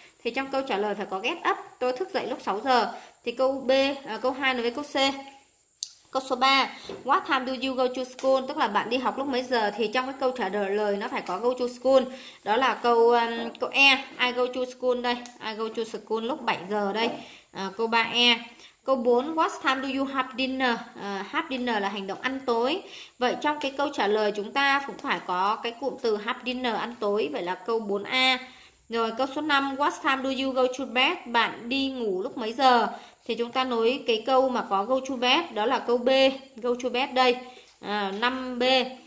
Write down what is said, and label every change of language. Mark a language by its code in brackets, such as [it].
[vi] Thì trong câu trả lời phải có [en] get up. [vi] Tôi thức dậy lúc 6 giờ. Thì câu B, câu 2 nối với câu C. Câu số 3, [en] what time do you go to school? [vi] Tức là bạn đi học lúc mấy giờ? Thì trong cái câu trả lời nó phải có [en] go to school. [vi] Đó là câu câu E, [en] I go to school [vi] đây. [en] I go to school [vi] lúc 7 giờ đây. Câu 3 E. [en] Câu 4, what time do you have dinner? [vi] Have dinner là hành động ăn tối. Vậy trong cái câu trả lời chúng ta cũng phải có cái cụm từ [en] have dinner, [vi] ăn tối. Vậy là câu 4 A. Rồi câu số 5, [en] what time do you go to bed? [vi] Bạn đi ngủ lúc mấy giờ? Thì chúng ta nối cái câu mà có [en] go to bed, [vi] đó là câu B, go to bed đây. 5B.